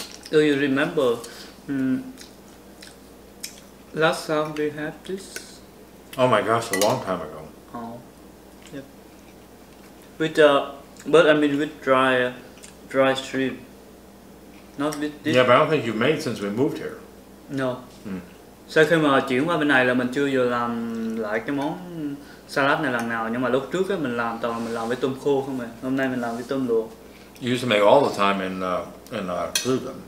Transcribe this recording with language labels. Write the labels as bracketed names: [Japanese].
[English] Do you remember last time we had this? Oh my gosh, a long time ago. Oh. With but I mean with dry shrimp, not with this. Yeah, but I don't think you've made since we moved here. No. [Vietnamese] Sau khi mà chuyển qua bên này là mình chưa vừa làm lại cái món salad này lần nào, nhưng mà lúc trước ấy, mình làm toàn là mình làm với tôm khô không mày. Hôm nay mình làm với tôm luộc. [English] You used to make all the time in Cleveland.